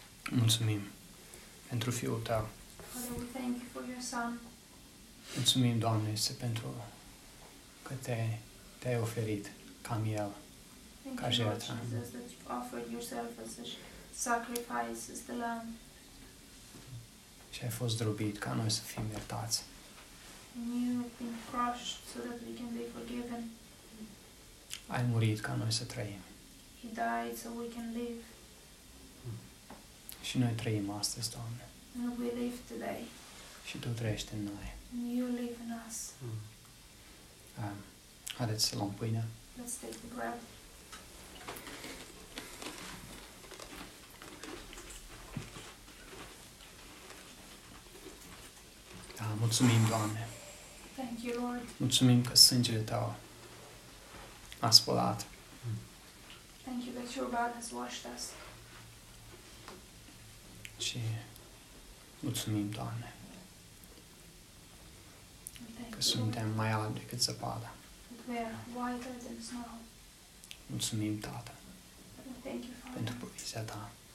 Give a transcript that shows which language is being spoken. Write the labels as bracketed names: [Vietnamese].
[Romanian] Mulțumim pentru Fiul Tău. [English] Father, we thank you for your Son. [Romanian] Mulțumim, Doamne, este pentru că te-ai oferit ca miel, ca jertfă. [English] Thank you, Lord Jesus, that you've offered yourself as a sacrifice, as the lamb. [Romanian] Și ai fost zdrobit ca noi să fim iertați. [English] And you have been crushed so that we can be forgiven. [Romanian] Ai murit ca noi să trăim. [English] He died so we can live. [Romanian] Și noi trăim astăzi, Doamne. [English] And we live today. [Romanian] Și Tu trăiești în noi. [English] And you live in us. [Romanian] Haideți să luăm pâinea. [English] Let's take the bread. [Romanian] Da, mulțumim, Doamne. [English] Thank you, Lord. [Romanian] Mulțumim că sângele Tău a spălat. [English] Thank you that your blood has washed us. [Romanian] Și mulțumim, Doamne, că suntem mai albi decât zăpada. [English] We are whiter than snow. [Romanian] Mulțumim, Tată, [English] thank you, Father, [Romanian] pentru provizia Ta.